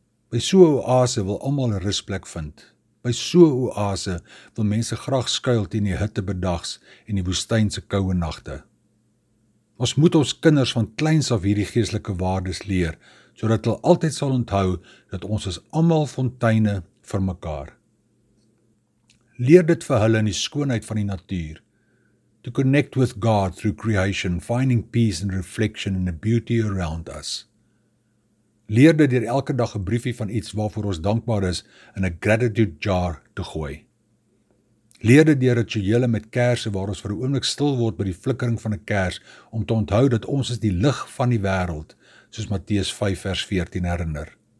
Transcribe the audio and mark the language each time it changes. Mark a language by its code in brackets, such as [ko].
[af] By so 'n oase wil almal 'n rusplek vind. By so 'n oase wil mense graag skuil teen die hitte bedags en die woestynse koue nagte. Ons moet ons kinders van kleins af hierdie geestelike waardes leer, sodat hulle altyd sal onthou dat ons is almal fonteine vir mekaar. Leer dit vir hulle in die skoonheid van die natuur. [en] To connect with God through creation, finding peace and reflection in the beauty around us. [af] Leer dit deur elke dag 'n briefie van iets waarvoor ons dankbaar is in 'n gratitude jar te gooi. Leer dit deur rituele met kersse waar ons vir 'n oomblik stil word by die flikkering van 'n kers om te onthou dat ons is die lig van die wêreld, soos Matteus 5 vers 14 herinner.